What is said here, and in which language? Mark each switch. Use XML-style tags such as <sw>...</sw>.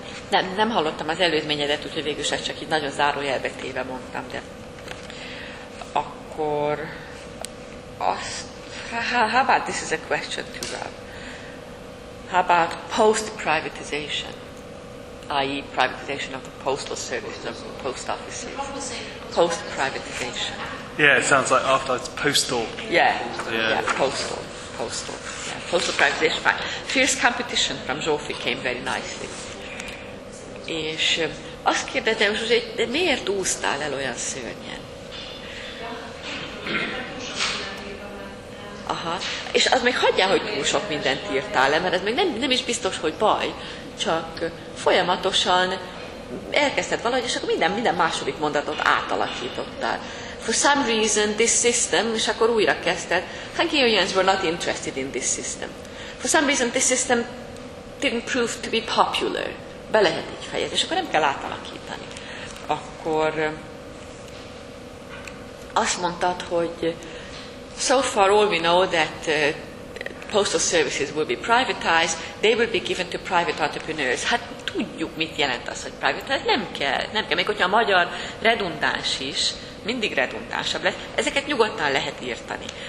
<hu>Nem hallottam az előzményedet, úgyhogy végül ezt csak így nagyon zárójelbe téve mondtam, de akkor azt,</hu> <en>how about this is a question to Rob? How about post-privatization? I.e. privatization of the postal services, of the post offices. Post-privatization. Yeah, it sounds like after it's postal. Postal. Yeah, postal privatization. Fine. Fierce competition from Zsófi came very nicely.</en> <hu>És azt kérdezem, Zsuzsi, de miért úsztál el olyan szörnyen? Aha. És az még hagyjál, hogy túl sok mindent írtál le, mert ez még nem is biztos, hogy baj. Csak folyamatosan elkezdted valahogy, és akkor minden második mondatot átalakítottál.</hu> <en>For some reason this system,</en> <hu>és akkor újra kezdted.</hu> <en>Hungarians were not interested in this system. For some reason this system didn't prove to be popular.</en> <hu>Be lehet így fejezni, és akkor nem kell átalakítani. Akkor azt mondtad, hogy</hu> <en>so far all we know that postal services will be privatized, they will be given to private entrepreneurs.</en> <hu>Hát tudjuk, mit jelent az, hogy privatized. Nem kell. Még hogyha a magyar redundáns is, mindig redundánsabb lesz, ezeket nyugodtan lehet írtani.</hu>